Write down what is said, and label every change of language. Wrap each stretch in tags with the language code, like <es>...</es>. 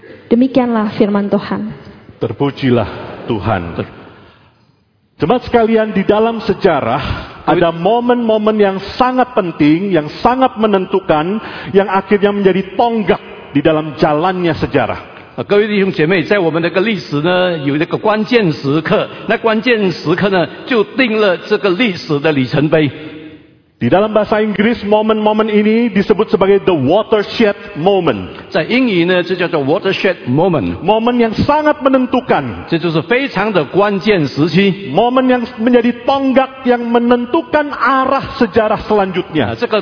<id>Demikianlah firman Tuhan. Terpujilah Tuhan. Jemaat sekalian, di dalam sejarah ada momen-momen yang sangat penting, yang sangat menentukan, yang akhirnya menjadi tonggak di dalam jalannya sejarah.</id> <zh>各位弟兄姐妹，在我们那个历史呢，有一个关键时刻，那关键时刻呢，就定了这个历史的里程碑。</zh> <id>Di dalam bahasa Inggris, momen-momen ini disebut sebagai the watershed moment.</id> <zh>在英语呢，这叫做 watershed moment.</zh> <id>Momen yang sangat menentukan.</id> <zh>这就是非常的关键时期.</zh> <id>Momen yang menjadi tonggak yang menentukan arah sejarah selanjutnya.</id>